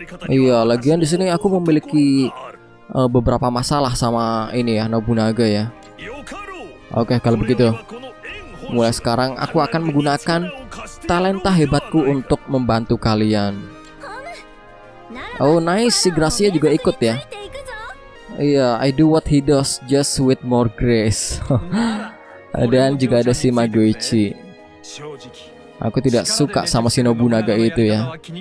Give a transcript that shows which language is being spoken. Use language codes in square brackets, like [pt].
[id] Iya, lagian di sini aku memiliki beberapa masalah sama ini ya, Nobunaga ya. Oke, kalau begitu, mulai sekarang aku akan menggunakan talenta hebatku untuk membantu kalian. Oh, nice, si Gracia juga ikut ya. [en] Iya, yeah, I do what he does, just with more grace. [id] Dan juga ada si Magoichi. Aku tidak suka sama si Nobunaga itu ya.